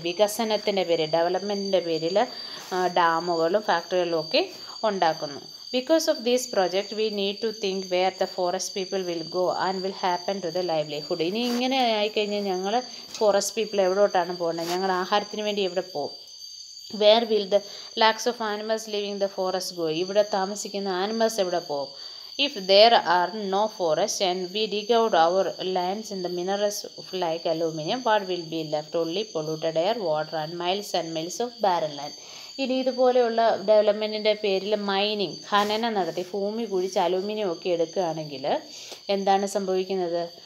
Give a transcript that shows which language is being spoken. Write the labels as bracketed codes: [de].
[ml] വികസനത്തിൻ്റെ പേര്, ഡെവലപ്മെൻറ്റിൻ്റെ പേരിൽ ഡാമുകളും ഫാക്ടറികളും ഒക്കെ ഉണ്ടാക്കുന്നു. [en] Because of these project we need to think where the forest people will go and will happen to the livelihood. [ml] ഇനി ഇങ്ങനെ ആയിക്കഴിഞ്ഞാൽ ഞങ്ങൾ ഫോറസ്റ്റ് പീപ്പിൾ എവിടോട്ടാണ് പോകേണ്ടത്? ഞങ്ങൾ ആഹാരത്തിന് വേണ്ടി എവിടെ പോകും? [en] Where will the lakhs of animals living in the forest go? [ml] ഇവിടെ താമസിക്കുന്ന ആനിമൽസ് എവിടെ പോകും? [en] If there are no forests and we dig out our lands in the minerals like aluminium, what will be left? Only polluted air, water and miles of barren land. [ml] ഇനി ഇതുപോലെയുള്ള ഡെവലപ്മെൻറ്റിൻ്റെ പേരിൽ mining ഖനനം നടത്തി ഭൂമി കുഴിച്ച് aluminium ഒക്കെ എടുക്കുകയാണെങ്കിൽ എന്താണ് സംഭവിക്കുന്നത്?